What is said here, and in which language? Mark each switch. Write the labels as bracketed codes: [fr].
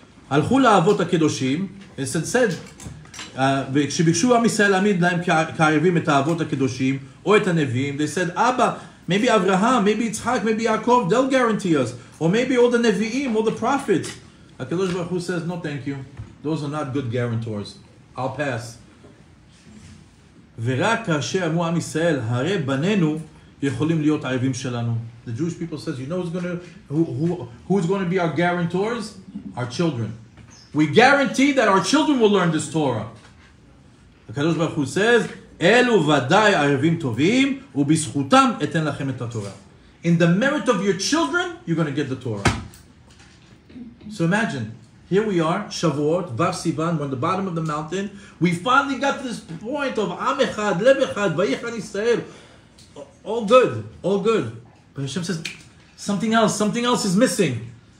[he] Alchu la'avot ha'kedoshim. It said, וכשביקשו עם ישראל להעמיד להם כערבים את האבות הקדושים או את הנביאים, they said, Abba, maybe Abraham, maybe Yitzhak, maybe Yaakov, they'll guarantee us. [en] Or maybe all the Nevi'im, all the prophets. HaKadosh Baruch Hu says, no thank you. Those are not good guarantors. I'll pass. [he] ורק כאשר אמרו עם ישראל, הרי בנינו יכולים להיות ערבים שלנו. [en] The Jewish people says, you know who's going to be our guarantors? Our children. We guarantee that our children will learn this Torah. HaKadosh Baruch Hu says, אלו ודאי ערבים טובים, ובזכותם אתן לכם את התורה. In the merit of your children, you're going to get the Torah. So imagine, here we are, Shavuot, Vav Sivan, we're on the bottom of the mountain. We finally got to this point of Am Echad, Lev Echad, Vayichad Yisrael. All good, all good. But Hashem says, something else is missing.